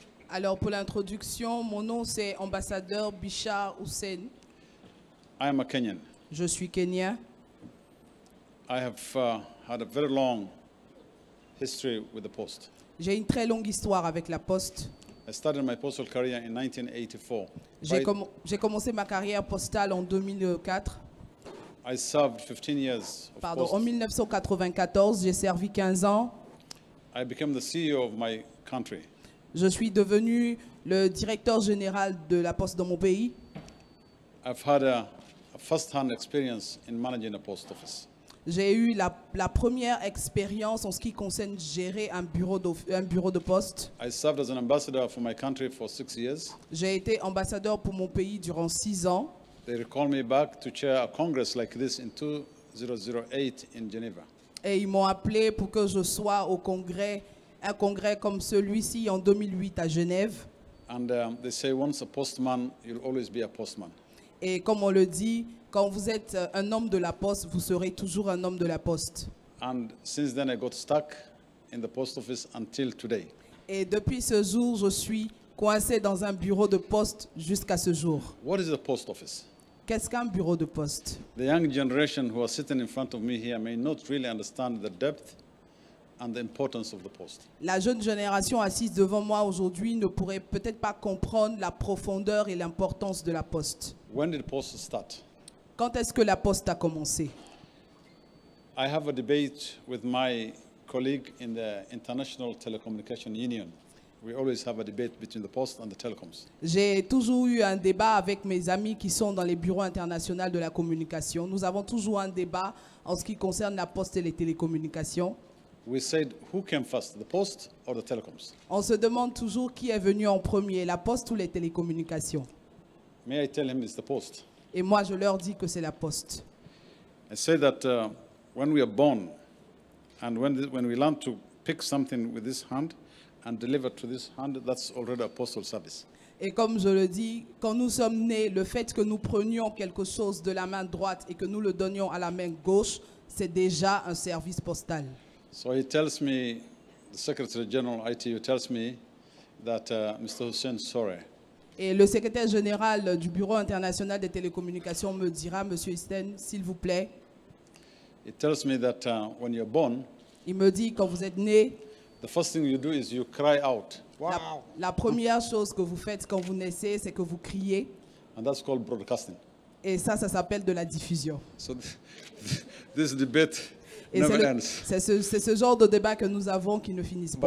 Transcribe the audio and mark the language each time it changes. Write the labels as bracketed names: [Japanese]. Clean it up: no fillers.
[French] Alors pour l'introduction, mon nom c'est Ambassadeur Bichard Hussein. [English] I am a Kenyan. [French] Je suis Kenyan. [English] I have had a very long history with the post. [French] J'ai une très longue histoire avec la poste. [English] I started my postal career in 1984. [French] J'ai commencé ma carrière postale en 2004. [English] I served 15 years. [French] Pardon, en 1994, j'ai servi 15 ans. [English] I became the CEO of my country. [French] Je suis devenu le directeur général de la poste dans mon pays. [English] I've had a first-hand experience in managing a post office. [French] J'ai eu la première expérience en ce qui concerne gérer un bureau de poste. [English] I served as an ambassador for my country for 6 years. [French] J'ai été ambassadeur pour mon pays durant 6 ans. [English] They recall me back to chair a congress like this in 2008 in Geneva. [French] Et ils m'ont appelé pour que je sois au congrès, un congrès comme celui-ci en 2008 à Genève. [English] And they say once a postman, you'll always be a postman. [French] Et comme on le dit, quand vous êtes un homme de la poste, vous serez toujours un homme de la poste. [English] And since then I got stuck in the post office until today. [French] Et depuis ce jour, je suis coincé dans un bureau de poste jusqu'à ce jour. [English] What is a post office? [French] Qu'est-ce qu'un bureau de poste? [English] The young generation who are sitting in front of me here may not really understand the depth and the importance of the post. [French] La jeune génération assise devant moi aujourd'hui ne pourrait peut-être pas comprendre la profondeur et l'importance de la poste. [English] When did the post start? [French] Quand est-ce que la poste a commencé? [English] I have a debate with my colleague in the International Telecommunication Union. We always have a debate between the post and the telecoms. [French] J'ai toujours eu un débat avec mes amis qui sont dans les bureaux internationaux de la communication. Nous avons toujours un débat en ce qui concerne la poste et les télécommunications. [English] We said who came first, the post or the telecoms? [French] On se demande toujours qui est venu en premier, la poste ou les télécommunications. [English] May I tell him it's the post? [French] Et moi, je leur dis que c'est la poste. [English] I say that when we are born and when we learn to pick something with this hand and deliver to this hand, that's already a postal service. [French] Et comme je le dis, quand nous sommes nés, le fait que nous prenions quelque chose de la main droite et que nous le donnions à la main gauche, c'est déjà un service postal. [English] So he tells me, the Secretary General ITU tells me that Mr. Hussein Sore. [French] Et le secrétaire général du Bureau international des télécommunications me dira, Monsieur Hussein, s'il vous plaît. [English] He tells me that when you're born. [French] Il me dit quand vous êtes né. [English] The first thing you do is you cry out. Wow. [French] La première chose que vous faites quand vous naissez, c'est que vous criez. [English] And that's called broadcasting. [French] Et ça s'appelle de la diffusion. [English] So this debate. Et never ends. [French] C'est ce genre de débat que nous avons qui ne finissent pas.